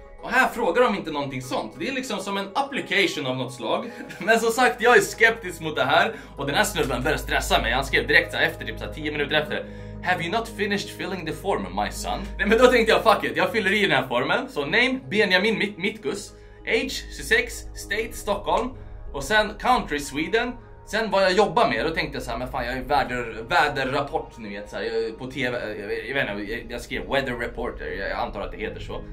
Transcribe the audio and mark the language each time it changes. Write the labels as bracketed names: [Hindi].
[Swedish] Och här frågar de inte någonting sånt, det är liksom som en application av något slag. Men som sagt, jag är skeptisk mot det här och den här snubben börjar stressa mig, han skrev direkt så här, efter typ så här, 10 minuter efter. [English] Have you not finished filling the form, my son? [Swedish] Nej, men då tänkte jag, fuck it, jag fyller i den här formen. Så name, Benjamin Mittgus. [English] Age, 26, state, Stockholm. [Swedish] Och sen [English] country, Sweden. [Swedish] Sen vad jag jobbar med, då tänkte jag så här, men fan, jag är väderrapport, ni vet, så här, på tv, jag vet inte, jag skrev weather reporter, jag antar att det heter så.